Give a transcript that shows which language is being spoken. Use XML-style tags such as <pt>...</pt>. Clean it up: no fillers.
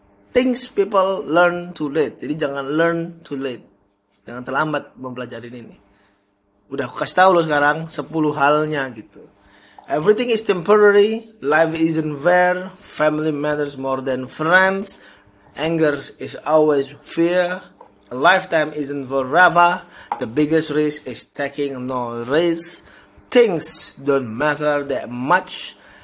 <en>Things people learn too late.</en> <id>Jadi jangan</id> <en>learn too late.</en> <id>Jangan terlambat mempelajari ini. Udah aku kasih tahu lo sekarang 10 halnya gitu.</id> <en>Everything is temporary. Life isn't fair. Family matters more than friends. Anger is always fear. A lifetime isn't forever. The biggest risk is taking no risk. Things don't matter that much.</en>